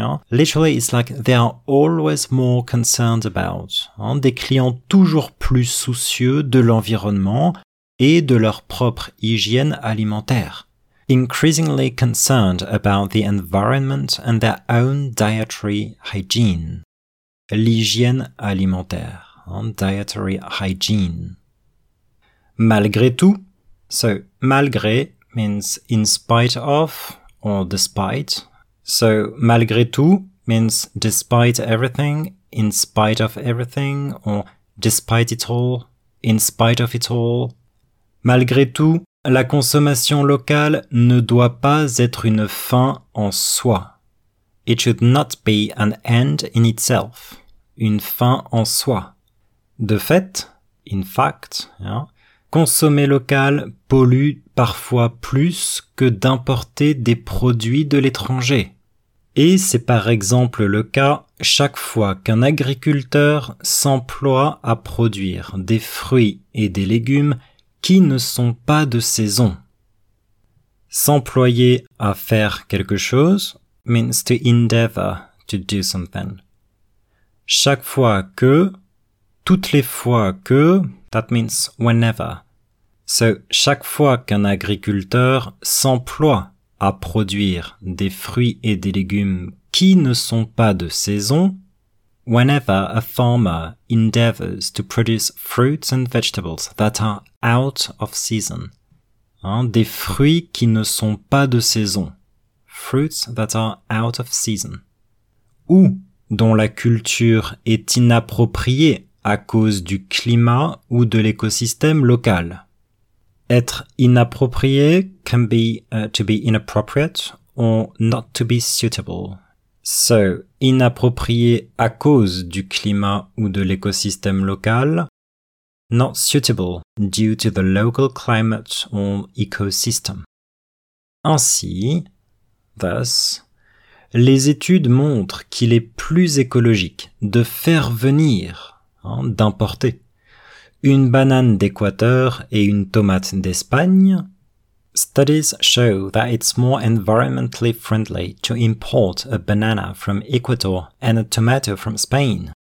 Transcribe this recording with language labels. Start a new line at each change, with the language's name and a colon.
English: Literally, it's like they are always more concerned about.
French: Des clients toujours plus soucieux de l'environnement et de leur propre hygiène alimentaire.
English: Increasingly concerned about the environment and their own dietary hygiene.
French: L'hygiène alimentaire.
English: Dietary hygiene.
French: Malgré tout.
English: So, malgré means in spite of or despite. So, malgré tout means despite everything, in spite of everything, or despite it all, in spite of it all.
French: Malgré tout, la consommation locale ne doit pas être une fin en soi.
English: It should not be an end in itself.
French: Une fin en soi. De fait,
English: in fact,
French: consommer local pollue parfois plus que d'importer des produits de l'étranger. Et c'est par exemple le cas chaque fois qu'un agriculteur s'emploie à produire des fruits et des légumes qui ne sont pas de saison. S'employer à faire quelque chose
English: means to endeavor to do something.
French: Chaque fois que... Toutes les fois que,
English: that means whenever.
French: So, chaque fois qu'un agriculteur s'emploie à produire des fruits et des légumes qui ne sont pas de saison,
English: whenever a farmer endeavors to produce fruits and vegetables that are out of season.
French: Des fruits qui ne sont pas de saison.
English: Fruits that are out of season.
French: Ou dont la culture est inappropriée à cause du climat ou de l'écosystème local. Être inapproprié
English: can be to be inappropriate or not to be suitable. So,
French: inapproprié à cause du climat ou de l'écosystème local,
English: not suitable due to the local climate or ecosystem.
French: Ainsi,
English: thus,
French: les études montrent qu'il est plus écologique de faire venir d'importer une banane d'Équateur et une tomate d'Espagne.
English: Studies show that it's more environmentally friendly to import a banana from Ecuador and a tomato from Spain.